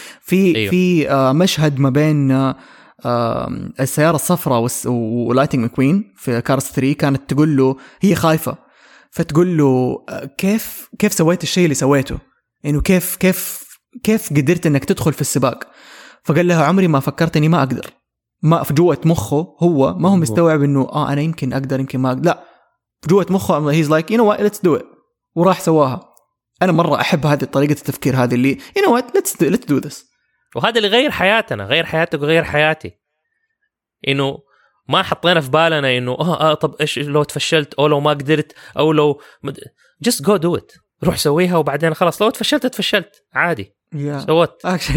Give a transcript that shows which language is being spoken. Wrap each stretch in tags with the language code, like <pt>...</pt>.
<ar>في مشهد ما بين السيارة الصفراء ولايتنج ماكوين في كارس 3 كانت تقول له، هي خايفة فتقول له كيف سويت الشيء اللي سويته، يعني كيف كيف كيف قدرت انك تدخل في السباق، فقال لها عمري ما فكرت اني ما اقدر، ما في جوة مخه هو ما هو مستوعب انه انا يمكن اقدر يمكن ما أقدر.</ar> <en>لا في جوة مخه he's like you know what let's do it وراح سواها.</en> <ar>انا مرة احب هذه طريقة التفكير هذه اللي you know what let's do this وهذا اللي غير حياتنا، غير حياتك وغير حياتي، انه ما حطينا في بالنا انه طب ايش لو تفشلت او لو ما قدرت او لو just go do it روح سويها وبعدين خلاص لو تفشلت عادي سوت.</ar>